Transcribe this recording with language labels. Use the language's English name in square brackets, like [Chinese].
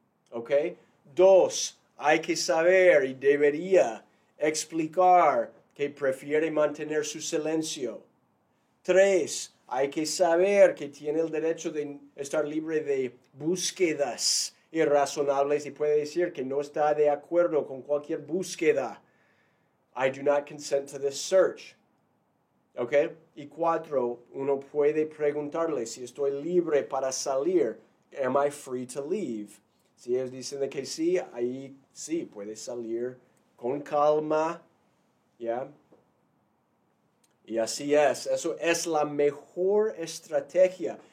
[Spanish] Ok, dos, hay que saber y debería explicar que prefiere mantener su silencio. Tres, hay que saber que tiene el derecho de estar libre de búsquedas irrazonables y puede decir que no está de acuerdo con cualquier búsqueda. [English] I do not consent to this search. [Spanish] Ok, y cuatro, uno puede preguntarle si estoy libre para salir. [English] Am I free to leave? [Spanish] Si ellos dicen que sí, ahí sí, puede salir con calma, ¿ya? Y así es, eso es la mejor estrategia.